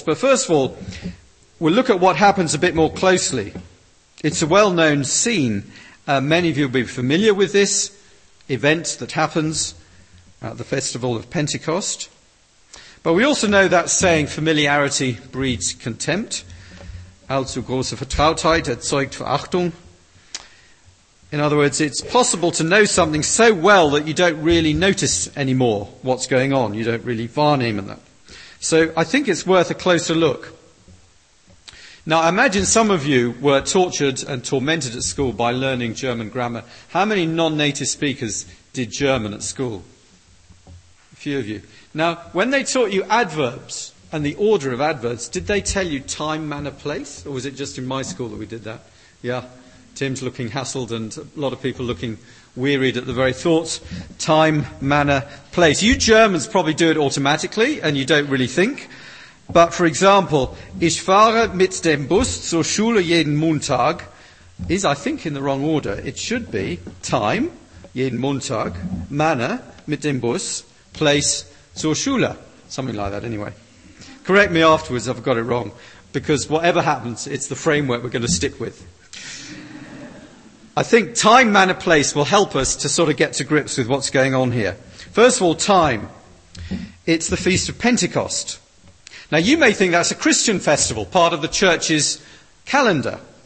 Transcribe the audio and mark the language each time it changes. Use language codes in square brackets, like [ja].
[en] But first of all, we'll look at what happens a bit more closely. It's a well-known scene. Many of you will be familiar with this event that happens at the festival of Pentecost. But we also know that saying, familiarity breeds contempt. [de] Allzu große Vertrautheit erzeugt Verachtung. [en] In other words, it's possible to know something so well that you don't really notice anymore what's going on. You don't really [de] wahrnehmen [en] that. So I think it's worth a closer look. Now, I imagine some of you were tortured and tormented at school by learning German grammar. How many non-native speakers did German at school? A few of you. Now, when they taught you adverbs and the order of adverbs, did they tell you time, manner, place? Or was it just in my school that we did that? Yeah, Tim's looking hassled and a lot of people looking wearied at the very thoughts. Time, manner, place. You Germans probably do it automatically and you don't really think. But, for example, [de] ich fahre mit dem Bus zur Schule jeden Montag [en] is, I think, in the wrong order. It should be time, [de] jeden Montag, [en] manner, [de] mit dem Bus, [en] place, [de] zur Schule. [en] Something like that, anyway. Correct me afterwards if I've got it wrong, because whatever happens, it's the framework we're going to stick with. I think time, manner, place will help us to sort of get to grips with what's going on here. First of all, time. It's the Feast of Pentecost. Now, you may think that's a Christian festival, part of the church's calendar.